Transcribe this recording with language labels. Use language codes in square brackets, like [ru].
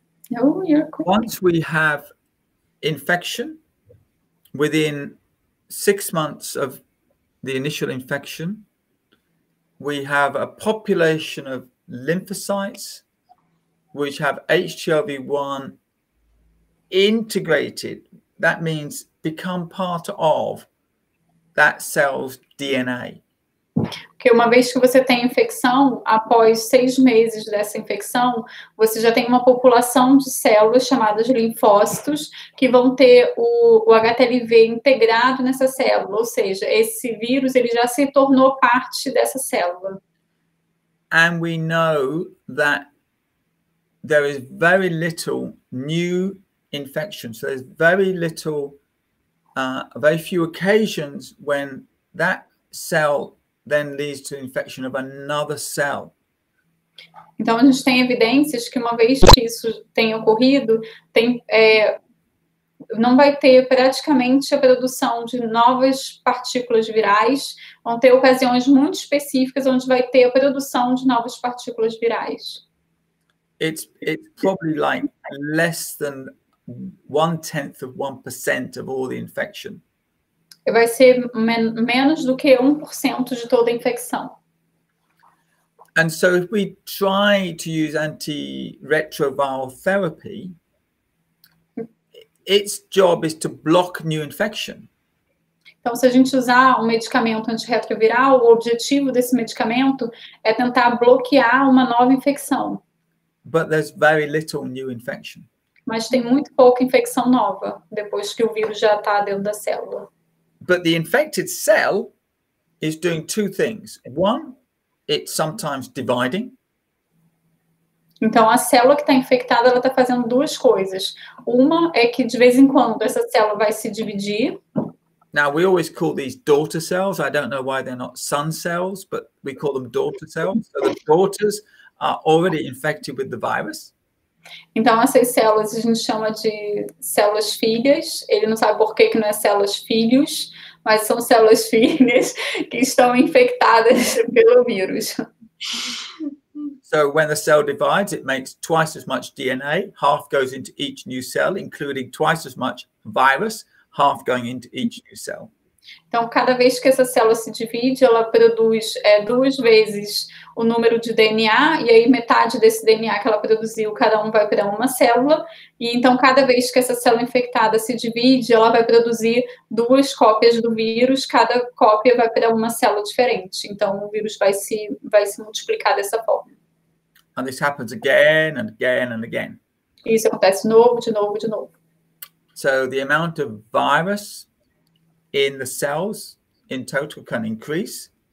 [en] Once we have infection, within 6 months of the initial infection, we have a population of lymphocytes which have HGLV1 integrated. That means become part of that cell's DNA. [pt] Porque uma vez que você tem infecção, após 6 meses dessa infecção, você já tem uma população de células chamadas de linfócitos que vão ter o HTLV integrado nessa célula. Ou seja, esse vírus ele já se tornou parte dessa célula. [en] And we know that there is very little new infection. So there's very little, very few occasions when that cell then leads to infection of another cell. [pt] Então a gente tem evidências que uma vez que isso tenha ocorrido, não vai ter praticamente a produção de novas partículas virais, vão ter ocasiões muito específicas onde vai ter a produção de novas partículas virais. [en] It's probably like less than 0.1% of all the infection. [pt] Vai ser menos do que 1% de toda a infecção. [en] And so if we try to use antiretroviral therapy, its job is to block new infection. [pt] Então, se a gente usar um medicamento antirretroviral, o objetivo desse medicamento é tentar bloquear uma nova infecção. [en] But there's very little new infection. [pt] Mas tem muito pouca infecção nova depois que o vírus já está dentro da célula. [en] But the infected cell is doing two things. One, it's sometimes dividing. [pt] Então, a célula que está infectada, ela está fazendo duas coisas. Uma é que, de vez em quando, essa célula vai se dividir. [en] Now, we always call these daughter cells. I don't know why they're not son cells, but we call them daughter cells. So the daughters are already infected with the virus. [pt] Então, essas células a gente chama de células filhas. Ele não sabe por que não é células filhos, mas são células filhas que estão infectadas pelo vírus. [en] So, when the cell divides, it makes twice as much DNA. Half goes into each new cell, including twice as much virus, half going into each new cell. [pt] Então, cada vez que essa célula se divide, ela produz duas vezes o número de DNA, e aí metade desse DNA que ela produziu, cada um vai para uma célula. E então, cada vez que essa célula infectada se divide, ela vai produzir duas cópias do vírus, cada cópia vai para uma célula diferente. Então, o vírus vai se multiplicar dessa forma. [en] And this happens again and again and again. [pt] Isso acontece de novo, de novo, de novo. [en] So, the amount of virus in the cells in total can increase.